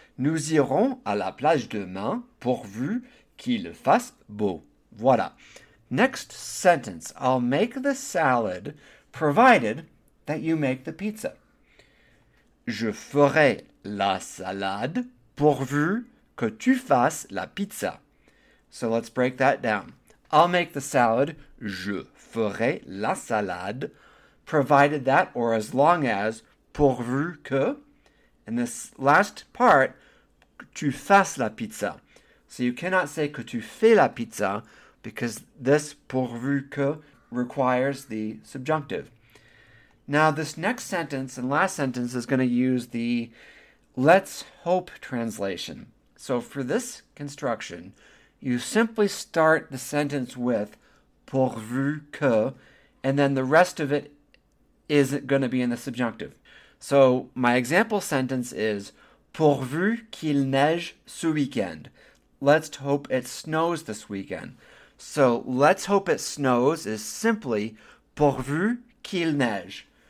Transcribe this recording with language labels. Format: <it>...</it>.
<fr>Nous irons à la plage demain pourvu qu'il fasse beau.</fr> <en>Voilà. Next sentence. I'll make the salad provided that you make the pizza.</en> <fr>Je ferai la salade pourvu que tu fasses la pizza.</fr> <en>So let's break that down. I'll make the salad.</en> <fr>Je ferai la salade.</fr> <en>Provided that, or as long as,</en> <fr>pourvu que.</fr> <en>And this last part,</en> <fr>tu fasses la pizza.</fr> <en>So you cannot say</en> <fr>que tu fais la pizza</fr> <en>because this</en> <fr>pourvu que</fr> <en>requires the subjunctive. Now, this next sentence and last sentence is going to use the let's hope translation. So for this construction, you simply start the sentence with</en> <fr>pourvu que,</fr> <en>and then the rest of it is going to be in the subjunctive. So my example sentence is</en> <fr>pourvu qu'il neige ce weekend.</fr> <en>Let's hope it snows this weekend. So let's hope it snows is simply</en> <fr>pourvu qu'il neige.</fr>